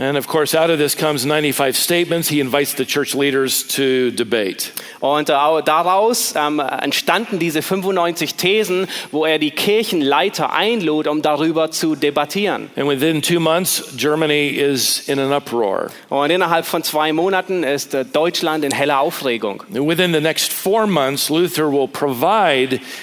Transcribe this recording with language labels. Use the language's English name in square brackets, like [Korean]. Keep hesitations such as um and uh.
[English] And of course, out of this comes 95 statements. He invites the church leaders to debate. And out of um, these 95 theses, [German] wo er die Kirchenleiter einlud, um darüber zu debattieren. [English] And within two months, Germany is in an uproar. [German] Und innerhalb von zwei Monaten ist Deutschland in heller Aufregung. [English] And within the next four months, Luther will provide.